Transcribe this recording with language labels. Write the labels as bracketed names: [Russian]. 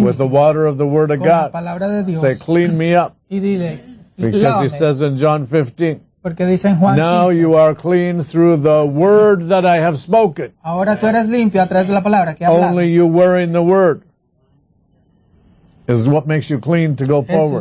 [English] with the water of the Word of God. [Spanish] La palabra de Dios. [English] Say, clean me up. [Spanish] Y dile, [English] because He says in John 15, [Spanish] porque dice en Juan 15, [English] now you are clean through the Word that I have spoken. [Spanish] Ahora tú eres limpio a través de la palabra que he hablado. [English] Only you wearing the Word. Is what makes you clean to go forward.